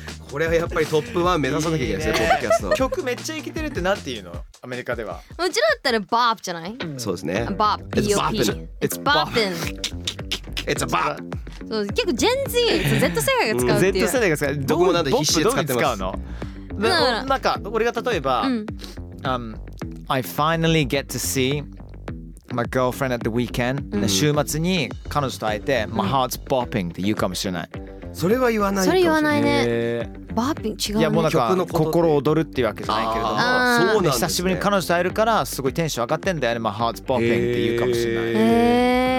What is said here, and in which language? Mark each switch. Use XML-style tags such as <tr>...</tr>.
<ja>これはやっぱりトップ1目指さなきゃいけないですね、ポッドキャスト。曲めっちゃイケてるってなんて言うの、アメリカでは。うちだったらバープじゃない？そうですね。</ja> <en>バープ、B-O-P。It's bopping。 It's a bop。</en> <ja>そう、結構ジェン Z、Z 世代が使うっていう。 Z 世代が使う。僕もなんで必死で使ってます。どう使うの？</ja> <en>なんか、俺が例えば、I finally get to see my girlfriend at the weekend。</en> <ja>週末に彼女と会えて、 my heart's bopping って言うかもしれない。それは言わないと。それ言わないね。バーピン違うね。いやもうなんか心躍るっていうわけじゃないけれども、そうなんですね。久しぶりに彼女と会えるからすごいテンション上がってんだよね。まあハーツバーピンって言うかもしれない。</ja>